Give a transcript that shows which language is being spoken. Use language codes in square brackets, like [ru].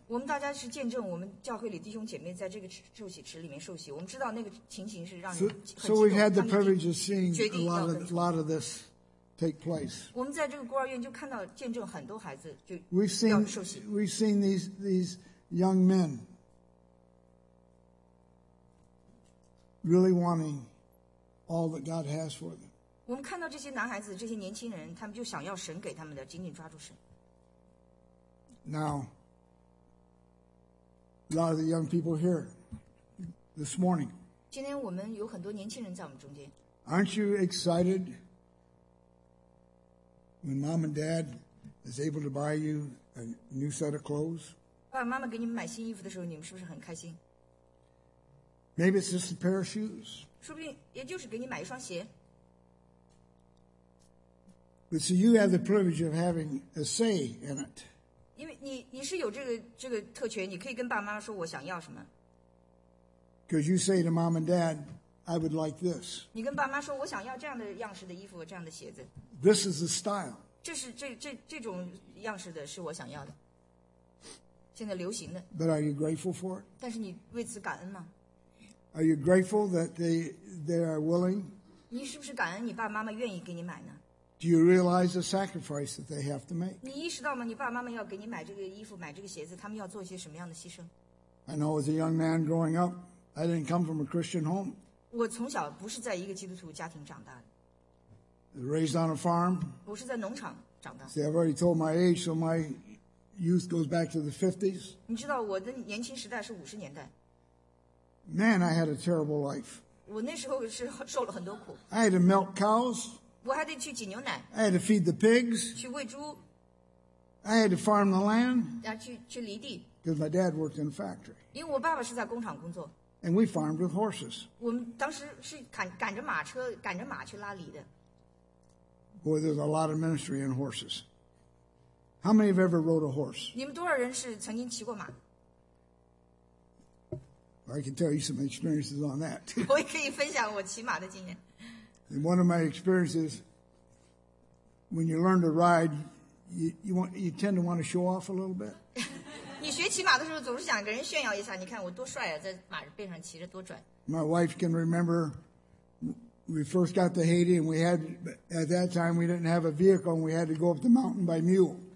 [zh] 我们大家是见证我们教会里弟兄姐妹在这个受洗池里面受洗。我们知道那个情形是让人很激动。 [en] So we've had the privilege of seeing a lot of this take place. [zh] 我们在这个孤儿院就看到见证很多孩子就要受洗。 [en] We've seen these young men really wanting all that God has for them. [zh] 我们看到这些男孩子，这些年轻人，他们就想要神给他们的，紧紧抓住神。 [en] Now, a lot of the young people here this morning. [zh] 今天我们有很多年轻人在我们中间。 [en] Aren't you excited when mom and dad is able to buy you a new set of clothes? [zh] 爸爸妈妈给你们买新衣服的时候，你们是不是很开心？ [en] Maybe it's just a pair of shoes. [zh] 说不定也就是给你买一双鞋。 [en] But so you have the privilege of having a say in it. [zh] 因为你是有这个特权，你可以跟爸爸妈妈说我想要什么。 [en] Because you say to mom and dad, I would like this. [zh] 你跟爸妈说我想要这样的样式的衣服，这样的鞋子。 [en] This is the style. [zh] 这是这种样式的是我想要的，现在流行的。 [en] But are you grateful for it? [zh] 但是你为此感恩吗？ [en] Are you grateful that they are willing? [zh] 你是不是感恩你爸爸妈妈愿意给你买呢？ [en] Do you realize the sacrifice that they have to make? [zh] 你意识到吗？你爸爸妈妈要给你买这个衣服，买这个鞋子，他们要做些什么样的牺牲 [en] ？I know as a young man growing up, I didn't come from a Christian home. [zh] 我从小不是在一个基督徒家庭长大的。 [en] Raised on a farm. [zh] 我是在农场长大。 [en] See, I've already told my age, so my youth goes back to the '50s. [zh] 你知道我的年轻时代是五十年代。 [en] Man, I had a terrible life. [zh] 我那时候是受了很多苦。 [en] I had to milk cows. [zh] 我还得去挤牛奶。 [en] I had to feed the pigs. [zh] 去喂猪。 [en] I had to farm the land. [zh] 去犁地。 [en] Because my dad worked in a factory. [zh] 因为我爸爸是在工厂工作。 [en] And we farmed with horses. [zh] 我们当时是赶着马车，赶着马去拉犁的。 [en] Boy, there's a lot of ministry in horses. How many have ever rode a horse? [zh] 你们多少人是曾经骑过马？ [en] I can tell you some experiences on that. [zh] 我也可以分享我骑马的经验。 [en] And one of my experiences, when you learn to ride, you tend to want to show off a little bit. [zh] 你学骑马的时候总是想跟人炫耀一下，你看我多帅啊，在马背上骑着多拽。 [en] My wife can remember, we first got to Haiti, and at that time we didn't have a vehicle, and we had to go up the mountain by mule.